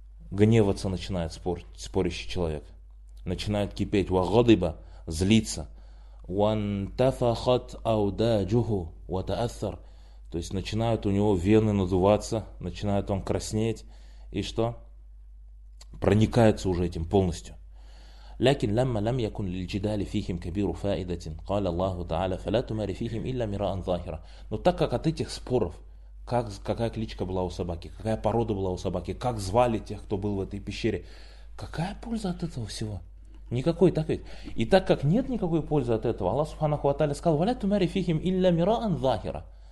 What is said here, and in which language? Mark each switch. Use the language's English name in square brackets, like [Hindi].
[Russian] Гневаться начинает спорящий человек. Начинает кипеть. [Arabic] Вагадиба, [Russian] злиться. [Arabic] Вантафахат аудаджуху, ватаасар. [Russian] То есть начинают у него вены надуваться, начинает он краснеть. И что? Проникается уже этим полностью. [Arabic] لكن لما لم يكن للجدال فيهم كبير فائدة قال الله تعالى فلا تمار فيهم إلا مراء ظاهرة. [Russian] Но так как от этих споров, как, какая кличка была у собаки, какая порода была у собаки, как звали тех, кто был в этой пещере, какая польза от этого всего? Никакой, так ведь? И так как нет никакой пользы от этого, Аллах Субханаху ва Тааля сказал, [Arabic] валя тумари фихим илля миран захира.